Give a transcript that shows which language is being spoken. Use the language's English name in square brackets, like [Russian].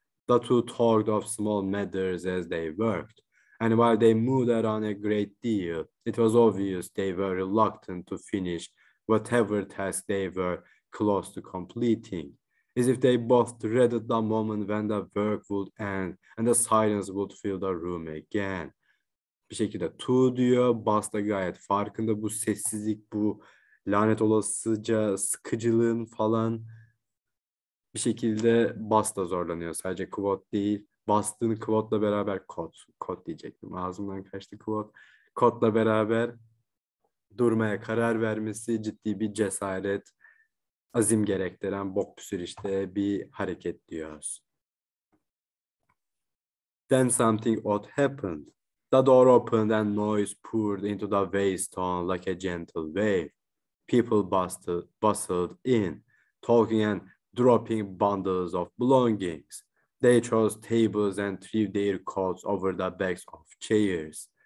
[English] The two talked of small matters as they worked, and while they moved around a great deal, it was obvious they were reluctant to finish whatever task they were close to completing, as if they both dreaded the moment when the work would end and the silence would fill the room again. [Turkish] Bir şekilde tu diyor. Bas da gayet farkında bu sessizlik, bu lanet olasıca sıkıcılığın falan. bir şekilde bas da zorlanıyor. Sadece quote değil. Bastığın quote'la beraber kod. Kod diyecektim. Ağzımdan kaçtı quote. Kodla beraber durmaya karar vermesi ciddi bir cesaret, azim gerektiren bok bir süreçte bir hareket diyoruz. [English] Then something odd happened. The door opened and noise poured into the waste town like a gentle wave. People bustled in, talking and dropping bundles of belongings. They chose tables and threw their coats over the backs of chairs.